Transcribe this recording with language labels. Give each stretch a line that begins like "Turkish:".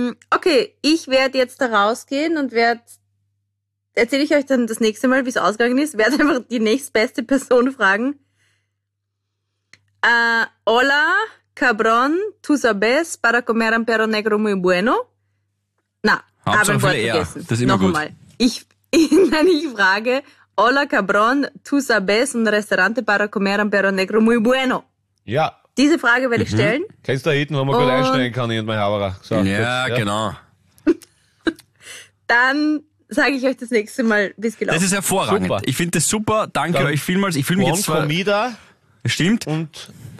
German: Okay, ich werde jetzt da rausgehen und erzähle ich euch dann das nächste Mal, wie es ausgegangen ist, werde einfach die nächstbeste Person fragen.
Spanish: Hola, Cabron, tu sabes para comer un perro negro muy bueno?
German: Na, habe ein Wort vergessen. Das ist immer noch gut. Nochmal. Ich frage,
Spanish: hola cabron, tu sabes un restaurante para comer un perro negro muy bueno?
German: Ja. Diese Frage werde ich stellen. Kennst du da hinten, wo man gut einsteigen kann, ich und mein Haberer? So, ja, gut, ja, genau. Dann sage ich euch das nächste Mal, wie es gelaufen ist. Das ist hervorragend. Super. Ich finde das super. Danke dann euch vielmals. Ich fühle mich jetzt zwar
Spanish: comida.
German: Stimmt. Und